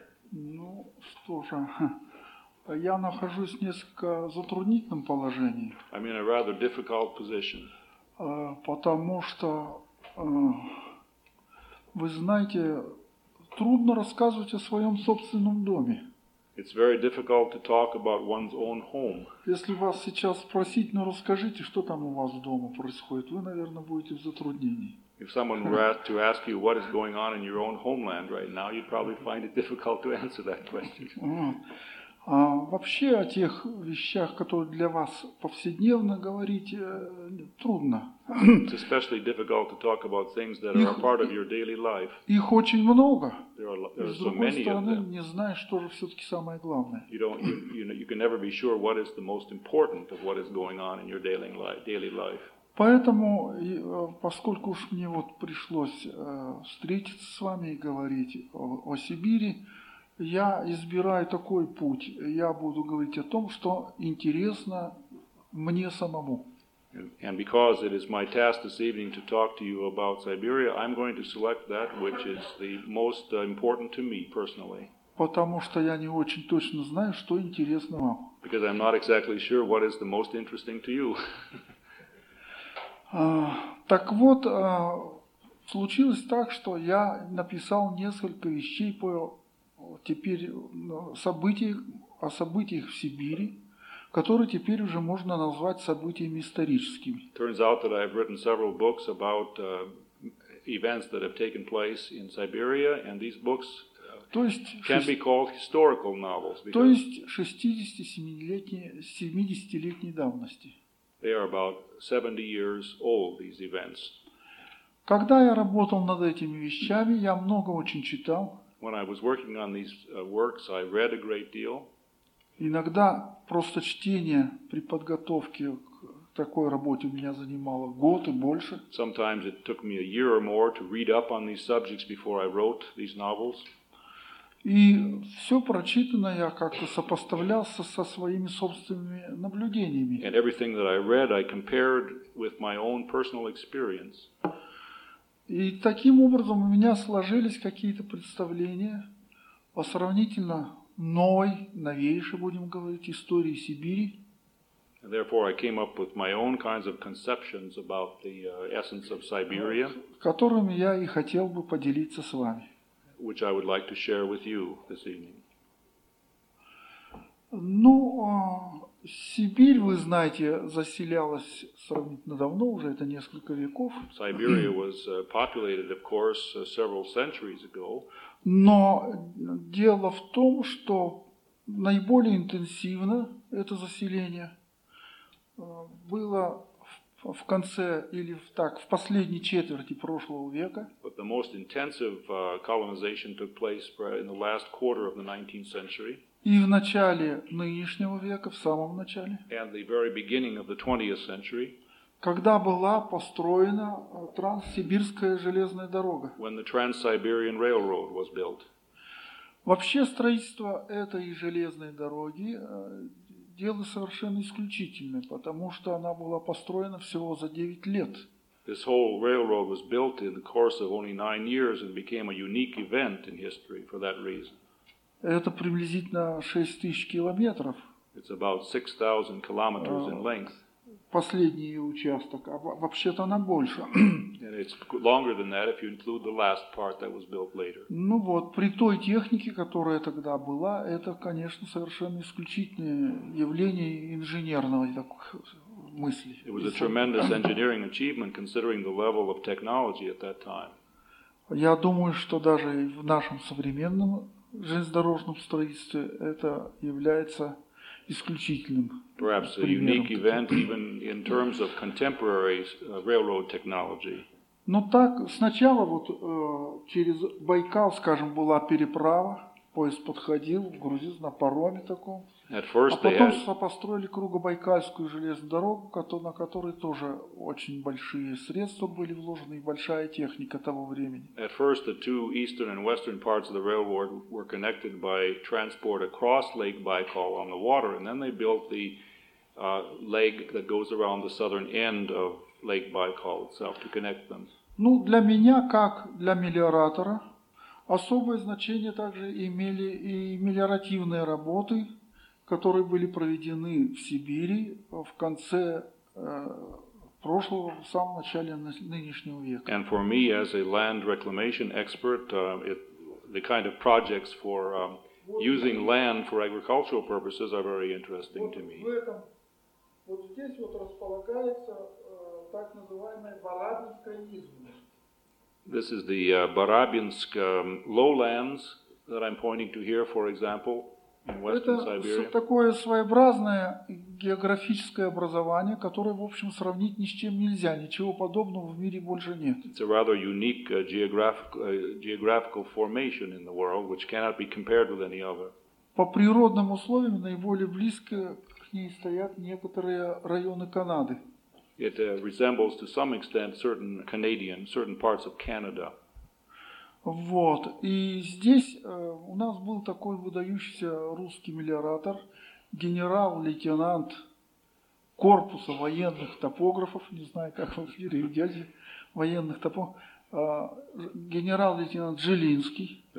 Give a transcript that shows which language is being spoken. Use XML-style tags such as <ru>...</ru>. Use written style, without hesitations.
<ru>Ну, что же, я нахожусь в несколько затруднительном положении.</ru> <en>I'm in a rather difficult position.</en> <ru>Потому что, вы знаете, трудно рассказывать о своем собственном доме.</ru> <en>It's very difficult to talk about one's own home.</en> <ru>Если вас сейчас спросить, ну расскажите, что там у вас дома происходит, вы, наверное, будете в затруднении.</ru> <en>If someone were to ask you what is going on in your own homeland right now, you'd probably find it difficult to answer that question.</en> <ru>Вообще о тех вещах, которые для вас повседневно говорить, трудно.</ru> <en>It's especially difficult to talk about things that are a part of your daily life.</en> <ru>Их очень много.</ru> <en>There are so many.</en> <ru>С другой стороны, не знаешь, что же все-таки самое главное.</ru> <en>You can never be sure what is the most important of what is going on in your daily life.</en> <ru>Поэтому, поскольку уж мне вот пришлось встретиться с вами и говорить о Сибири, я избираю такой путь. Я буду говорить о том, что интересно мне самому.</ru> <en>And because it is my task this evening to talk to you about Siberia, I'm going to select that which is the most important to me personally.</en> <ru>Потому что я не очень точно знаю, что интересно вам.</ru> <en>Because I'm not exactly sure what is the most interesting to you.</en> <ru>Так вот, случилось так, что я написал несколько вещей по теперь о событиях в Сибири, которые теперь уже можно назвать событиями историческими.</ru> <en>Turns out that I have written several books about events that have taken place in Siberia, and these books can be called historical novels.</en> <ru>То есть 70-летней давности.</ru> <en>They are about 70 years old, these events.</en> <ru>Когда я работал над этими вещами, я много очень читал.</ru> <en>When I was working on these works, I read a great deal.</en> <ru>Иногда просто чтение при подготовке к такой работе у меня занимало год и больше.</ru> <en>Sometimes it took me a year or more to read up on these subjects before I wrote these novels.</en> <ru>И все прочитанное я как-то сопоставлял со своими собственными наблюдениями.</ru> <en>And everything that I read, I compared with my own personal experience.</en> <ru>И таким образом у меня сложились какие-то представления о сравнительно новой, новейшей, будем говорить, истории Сибири.</ru> <en>And therefore I came up with my own kinds of conceptions about the essence of Siberia.</en> <ru>Которыми я и хотел бы поделиться с вами.</ru> <en>Which I would like to share with you this evening.</en> <ru>Ну, Сибирь, вы знаете, заселялась сравнительно давно, уже это несколько веков.</ru> <en>Siberia was populated, of course, several centuries ago.</en> <ru>Но дело в том, что наиболее интенсивно это заселение было в конце или так в последней четверти прошлого века.</ru> <en>But the most intensive colonization took place in the last quarter of the 19th century.</en> <ru>И в начале нынешнего века, в самом начале.</ru> <en>And the very beginning of the 20th century.</en> <ru>Когда была построена Транссибирская железная дорога.</ru> <en>When the Trans-Siberian Railroad was built.</en> <ru>Вообще строительство этой железной дороги дело совершенно исключительное, потому что она была построена всего за 9 лет.</ru> <en>This whole railroad was built in the course of only 9 years and became a unique event in history for that reason.</en> <ru>Это приблизительно 6000 километров.</ru> <en>It's about 6000 kilometers in length.</en> <ru>Последний ее участок, а вообще-то она больше.</ru> <en>And it's longer than that if you include the last part that was built later.</en> <ru>Ну вот, при той технике, которая тогда была, это, конечно, совершенно исключительное явление инженерной такой мысли.</ru> <en>It was a tremendous engineering achievement considering the level of technology at that time.</en> <ru>Я думаю, что даже в нашем современном железнодорожном строительстве это является исключительным.</ru> <en>Perhaps a unique event even in terms of contemporary railroad technology.</en> <ru>Но так сначала вот через Байкал, скажем, была переправа, поезд подходил, грузился на пароме таком.</ru> <en>At first</en> <ru>а потом построили Кругобайкальскую железную дорогу, на которой тоже очень большие средства были вложены и большая техника того времени.</ru> <en>At first the two eastern and western parts of the railroad were connected by transport across Lake Baikal on the water, and then they built the leg that goes around the southern end of Lake Baikal itself to connect them.</en> <ru>Ну, для меня, как для мелиоратора, Особое значение также имели и мелиоративные работы, которые были проведены в Сибири в конце прошлого, в самом начале нынешнего века.</ru> <en>And for me, as a land reclamation expert, the kind of projects for using land for agricultural purposes are very interesting to me.</en> <ru>Вот здесь вот располагается так называемая Барабинская изгородь.</ru> <en>This is the Barabinsk lowlands that I'm pointing to here, for example, in western Siberia.</en> <ru>Это такое своеобразное географическое образование, которое, в общем, сравнить ни с чем нельзя. Ничего подобного в мире больше нет.</ru> <en>It's a rather unique geographical formation in the world, which cannot be compared with any other.</en> <ru>По природным условиям наиболее близко к ней стоят некоторые районы Канады.</ru> <en>It resembles to some extent certain parts of Canada.</en> <ru>Вот. И здесь у нас был такой выдающийся русский мелиоратор, генерал-лейтенант корпуса военных топографов, не знаю, как вы переведете, военных топографов, генерал-лейтенант Жилинский.</ru>